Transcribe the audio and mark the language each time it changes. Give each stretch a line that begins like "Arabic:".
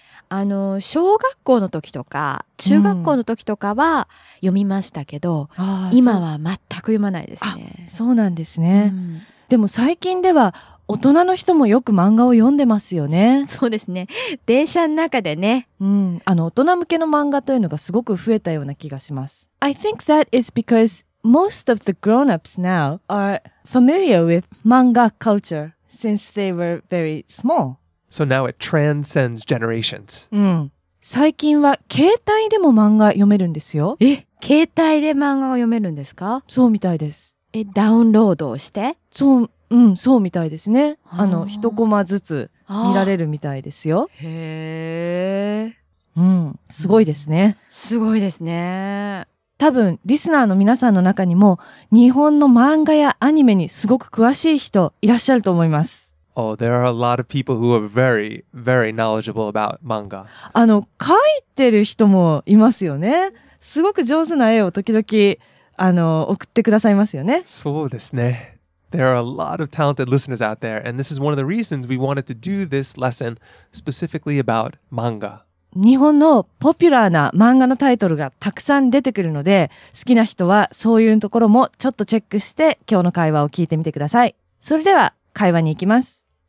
Japanese: 小学校の時とか中学校の時とかは読みましたけど、今は全く読まないですね。そうなんですね。でも最近では大人の人もよく漫画を読んでますよね。そうですね、電車の中でね。大人向けの漫画というのがすごく増えたような気がします。
English: I think that is because most of the grown-ups now are familiar with manga culture since they were very small. So now it transcends generations.
Japanese: 最近は携帯でも漫画読めるんですよ。え、携帯で漫画を読めるんですか？そうみたいです。え、ダウンロードをして？そう、うん、そうみたいですね。一コマずつ見られるみたいですよ。へえ。すごいですね。すごいですね。多分、リスナーの皆さんの中にも、日本の漫画やアニメにすごく詳しい人いらっしゃると思います。
English: Oh, there are a lot of people who are very, very knowledgeable about manga.
Japanese: 書いてる人もいますよね。すごく上手な絵を時々、送ってくださいますよね。そうですね。
English: There are a lot of talented listeners out there, and this is one of the reasons we wanted to do this lesson specifically about manga.
Japanese: 日本のポピュラーな漫画のタイトルがたくさん出てくるので、好きな人はそういうところもちょっとチェックして今日の会話を聞いてみてください。それでは会話に行きます。